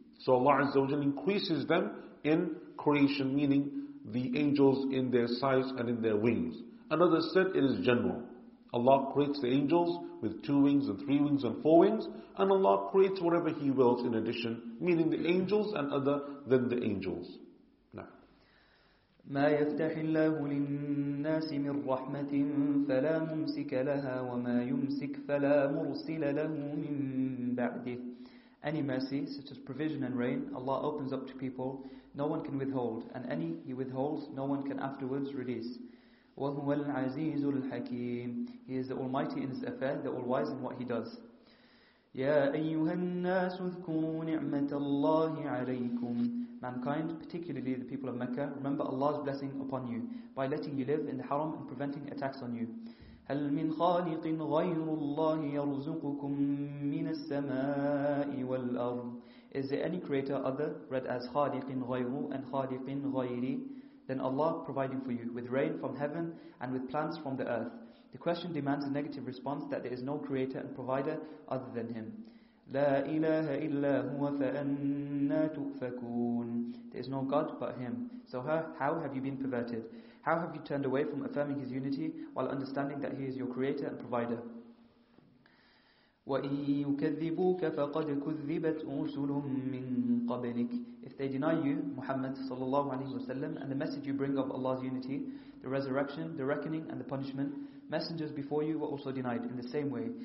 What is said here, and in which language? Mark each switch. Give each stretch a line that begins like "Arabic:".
English: So Allah Azza wa Jalla increases them in creation, meaning the angels in their size and in their wings. Another said it is general. Allah creates the angels with two wings and three wings and four wings, and Allah creates whatever He wills in addition, meaning the angels and other than the angels. Now,
Arabic: ما يفتح الله للناس من رحمة فلا ممسك لها وما يمسك فلا مرسل له من بعده.
English: Any mercy, such as provision and rain, Allah opens up to people, no one can withhold, and any He withholds, no one can afterwards release.
Arabic: وهو العزيز الحكيم.
English: He is the Almighty in His affair, the All-Wise in what He does.
Arabic: يا أيها الناس اذكروا نعمة الله عليكم.
English: Mankind, particularly the people of Mecca, remember Allah's blessing upon you by letting you live in the Haram and preventing attacks on you.
Arabic: هل من خالق غير الله يرزقكم من السماء والأرض.
English: Is there any creator other, read as
Arabic: خالق غير
English: and
Arabic: خالق غيري,
English: than Allah providing for you with rain from heaven and with plants from the earth? The question demands a negative response that there is no creator and provider other than Him.
Arabic: لا إله إلا هو فأنا تؤفكون.
English: There is no God but Him. So how have you been perverted? How have you turned away from affirming His unity while understanding that He is your creator and provider?
Arabic: وَإِن يُكَذِّبُوكَ فَقَدْ كُذِّبَتْ رُسُلٌ مِّن قَبْلِكَ.
English: If they deny you, Muhammad sallallahu alayhi wa sallam, and the message you bring of Allah's unity, the resurrection, the reckoning, and the punishment, messengers before you were also denied in the same way.